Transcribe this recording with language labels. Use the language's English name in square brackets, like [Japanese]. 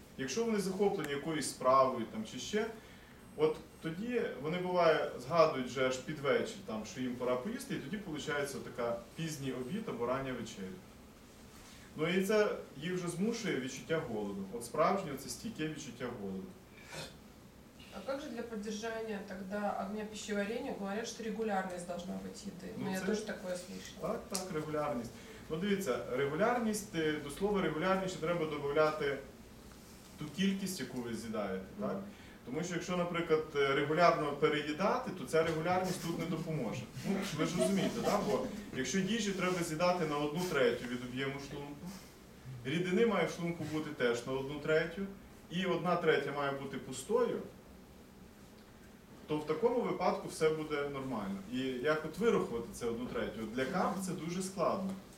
[Ukrainian] Якщо вони захоплені якоюсь справою там, чи ще, от тоді вони буває згадують вже аж під вечір, там, що їм пора поїсти, і тоді виходить така пізній обід або рання вечеря. Ну і це їх вже змушує відчуття голоду. От справжнє це стійке відчуття голоду. [Russian] А как же для поддержания тогда огня пищеварения? Говорят, что регулярность должна быть еды. Ну, я тоже такое слышала. Так, так, регулярность. [Ukrainian] Ну, дивіться, регулярність, до слова регулярність треба додати ту кількість, яку ви з'їдаєте, так? Тому що, якщо, наприклад, регулярно переїдати, то ця регулярність тут не допоможе. Ну, ви ж розумієте, так? Бо якщо їжі треба з'їдати на одну третю від об'єму шлунку, рідини має в шлунку бути теж на одну третю, і одна третя має бути пустою, то в такому випадку все буде нормально. І як от вирахувати це одну третю? Для кав це дуже складно.